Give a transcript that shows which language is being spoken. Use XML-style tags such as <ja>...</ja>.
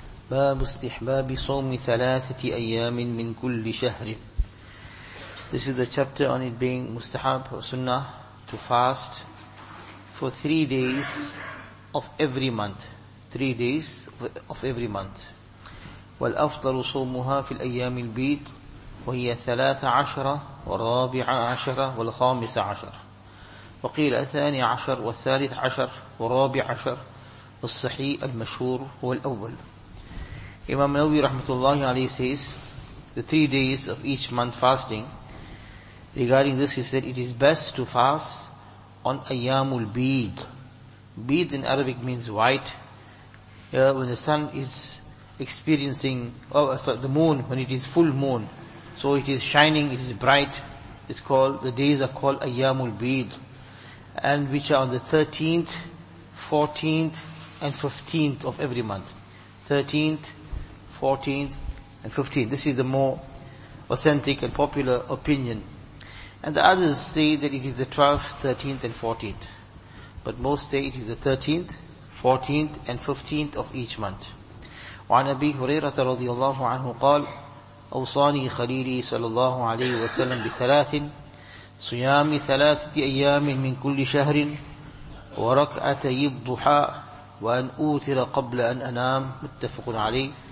<ar>باب استحباب صوم ثلاثة أيام من كل شهر.</ar> <en>This is the chapter on it being mustahab or sunnah to fast for 3 days of every month. 3 days of every month.</en> <ar>والأفضل صومها في الأيام البيض وهي 13 والرابعة عشرة والخامس عشر وقيل 12 والثالث عشر والرابع عشر والصحيح المشهور هو الأول.</ar> <en>Imam Nawawi rahmatullahi alayhi says, the 3 days of each month fasting, regarding this he said, it is best to fast on ayyamul bid. Bid in Arabic means white. When the sun is experiencing, the moon, when it is full moon, so it is shining, it is bright, it's called, the days are called ayyamul bid, and which are on the 13th, 14th, and 15th of every month. 13th, 14th, and 15th. This is the more authentic and popular opinion. And the others say that it is the 12th, 13th, and 14th. But most say it is the 13th, 14th, and 15th of each month.</en> <ar>وعن أبي هريرة رضي الله عنه قال أوصاني خليلي صلى الله عليه وسلم بثلاث صيام ثلاثة أيام من كل شهر وركعة الضحى وأن أوتر قبل أن أنام متفق عليه.</ar>